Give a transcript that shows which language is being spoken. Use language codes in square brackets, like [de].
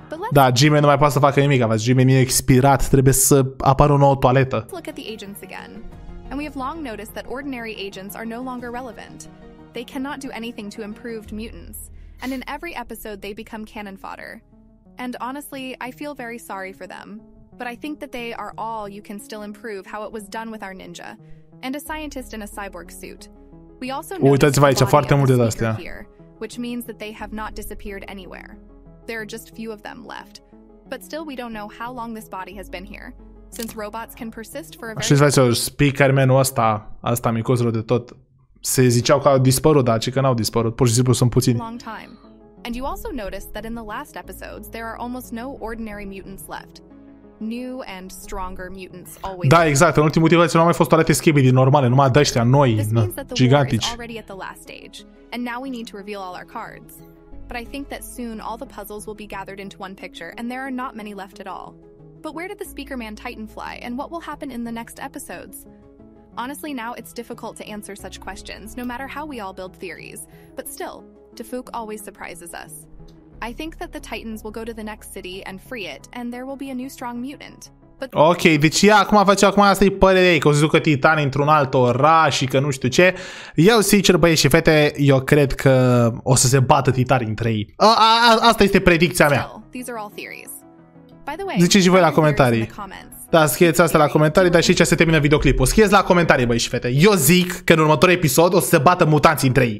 [ro] da, G-Man nu mai poate să facă nimic, avea, G-Man e expirat, trebuie să apară o nouă toaletă. [en] Look at the agents again. And we have long noticed that ordinary agents are no longer relevant. They cannot do anything to improved mutants. And in every episode they become cannon fodder. And honestly, I feel very sorry for them. But I think that they are all you can still improve how it was done with our ninja and a scientist in a cyborg suit. We also know that [ro] uitați-vă aici, foarte multe de astea. [en] Here, which means that they have not disappeared anywhere. There are just few of them left. But still we don't know how long this body has been here since robots can persist for a very long time. [ro] Și vezi, speakermanul ăsta, ăsta micuțul de tot, se ziceau că au dispărut, dar ce că n-au dispărut, pur și simplu sunt puțini. [en] And you also noticed that in the last episodes there are almost no ordinary mutants left. New and stronger mutants always. [ro] Da, exact. În ultimul timp nu au mai fost toate SKIBIDI normale, numai de ăștia noi, gigantici. [en] Already at the last stage. And now we need to reveal all our cards. But I think that soon all the puzzles will be gathered into one picture and there are not many left at all. But where did the speaker man Titan fly and what will happen in the next episodes? Honestly, now it's difficult to answer such questions no matter how we all build theories. But still, Defook always surprises us. I think that the Titans will go to the next city and free it and there will be a new strong mutant. But [ro] ok, deci ea acum face acum asta e părerea ei, că o să ducă Titan într-un alt oraș și că nu știu ce. Eu sincer, băieți și fete, eu cred că o să se bată Titan între ei. Asta este predicția mea. [en] These are all theories. By the way, [ro] ziceți și voi la comentarii. Da, scrieți asta la comentarii, dar și aici se termină videoclipul. Scrieți la comentarii, băieți și fete. Eu zic că în următorul episod o să se bată mutanții între ei.